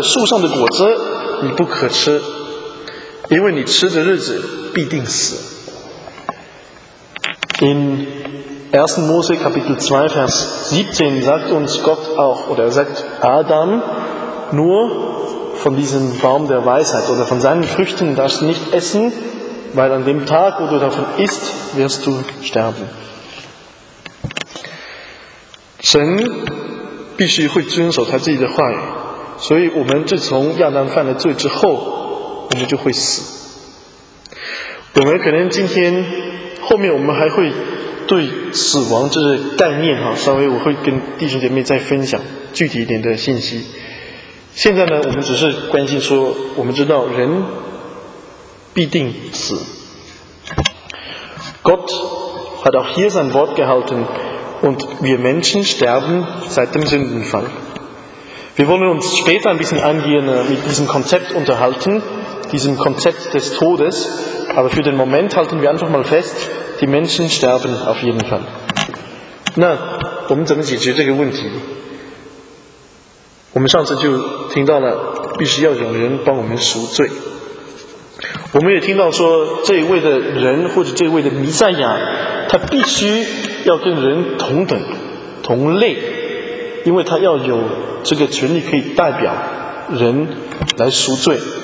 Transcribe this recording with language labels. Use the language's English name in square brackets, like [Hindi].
[Chinese] 我们再看创世纪第二章十七节，神就吩咐了亚当说，什么只是分别为善恶树上的果子，你不可吃。因为你吃的日子必定死. [German] In 1. Mose Kapitel 2 Vers 17 sagt uns Gott auch, oder er sagt Adam, nur von diesem Baum der Weisheit oder von seinen Früchten darfst du nicht essen, weil an dem Tag, wo du davon isst, wirst du sterben. [Chinese] 神必须会遵守他自己的话语，所以我们自从亚当犯了罪之后， 我们就会死。我们可能今天后面我们还会对死亡这个概念稍微我会跟弟兄姐妹再分享具体一点的信息。现在呢，我们只是关心说，我们知道人必定死。 [German] Gott hat auch hier sein Wort gehalten und wir Menschen sterben seit dem Sündenfall. Wir wollen uns später ein bisschen eingehen mit diesem Konzept unterhalten, diesem Konzept des Todes, aber für den Moment halten wir einfach mal fest, die Menschen sterben auf jeden Fall. [Chinese] Na, 我们怎么解决这个问题? 我们上次就听到了，必须要有人帮我们赎罪。我们也听到说，这一位的人或者这一位的弥赛亚， 他必须要跟人同等，同类， 因为他要有这个权利可以代表人来赎罪。